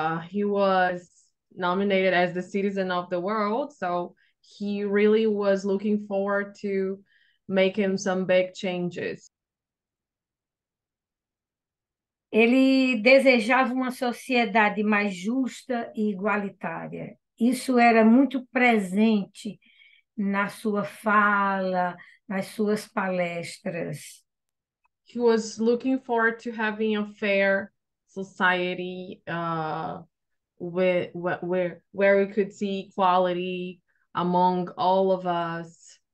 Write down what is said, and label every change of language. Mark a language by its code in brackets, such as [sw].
[en] He was nominated as the citizen of the world, so he really was looking forward to making some big changes. [pt] Ele desejava uma sociedade mais justa e igualitária. Isso era muito presente na sua fala, nas suas palestras. [en] He was looking forward to having a fair society where we could see equality among all of us.